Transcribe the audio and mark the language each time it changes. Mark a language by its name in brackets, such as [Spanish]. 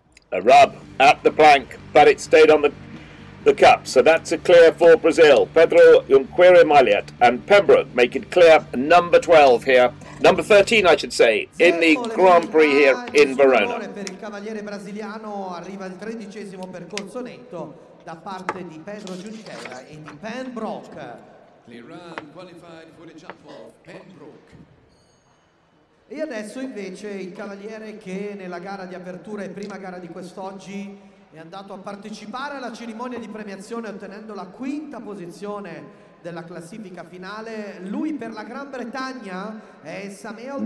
[English] A rub at the plank, but it stayed on the cup. So that's a clear for Brazil. Pedro Jonqueira Mulhert and Pembroke make it clear number 12 here. Number 13, I should say, in the Grand Prix here in Verona. [Italian] Per il cavaliere brasiliano arriva il tredicesimo percorso netto da parte di Pedro Jonqueira e di Pembroke. [English] Clear run, qualified for the jump of Pembroke. [Italian] E adesso invece il cavaliere che nella gara di apertura e prima gara di quest'oggi è andato a partecipare alla cerimonia di premiazione ottenendo la quinta posizione della classifica finale, lui per la Gran Bretagna è Sami Eldahan.